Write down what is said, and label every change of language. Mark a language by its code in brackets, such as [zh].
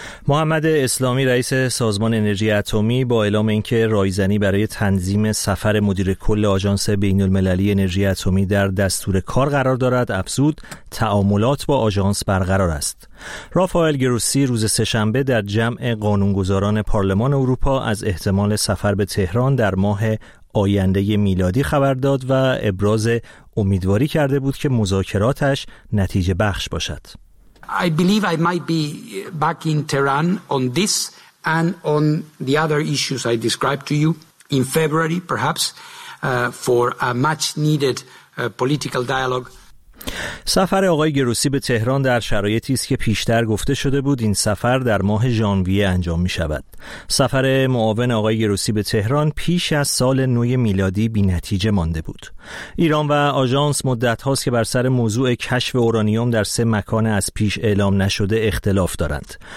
[fa] محمد اسلامی رئیس سازمان انرژی اتمی با اعلام اینکه رایزنی برای تنظیم سفر مدیر کل آژانس بین المللی انرژی اتمی در دستور کار قرار دارد، افزود تعاملات با آژانس برقرار است. رافائل گروسی روز سه‌شنبه در جمع قانونگذاران پارلمان اروپا از احتمال سفر به تهران در ماه آینده میلادی خبر داد و ابراز امیدواری کرده بود که مذاکراتش نتیجه بخش باشد. [en] I believe I might be back in Tehran on this and on the other issues I described to you in February perhaps for a much needed political dialogue. [fa] سفر آقای گروسی به تهران در شرایطی است که پیشتر گفته شده بود این سفر در ماه ژانویه انجام می شود. سفر معاون آقای گروسی به تهران پیش از سال نوی میلادی بی نتیجه مانده بود. ایران و آژانس مدت هاست که بر سر موضوع کشف اورانیوم در سه مکان از پیش اعلام نشده اختلاف دارند.